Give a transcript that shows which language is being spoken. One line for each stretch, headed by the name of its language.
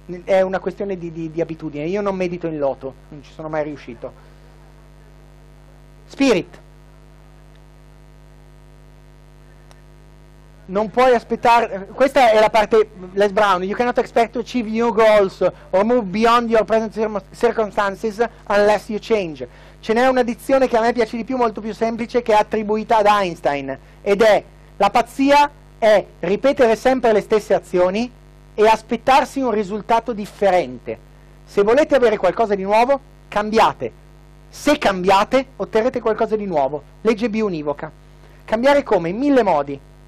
Italian: È una questione di abitudine. Io non medito in loto, non ci sono mai riuscito. Spirit, non puoi aspettare. Questa è la parte Les Brown.
English: You cannot expect to achieve new goals or move beyond your present circumstances unless you change.
Italian: Ce n'è una dizione che a me piace di più, molto più semplice, che è attribuita ad Einstein, ed è: la pazzia è ripetere sempre le stesse azioni e aspettarsi un risultato differente. Se volete avere qualcosa di nuovo, cambiate. Se cambiate, otterrete qualcosa di nuovo. Legge biunivoca. Cambiare come? In mille modi.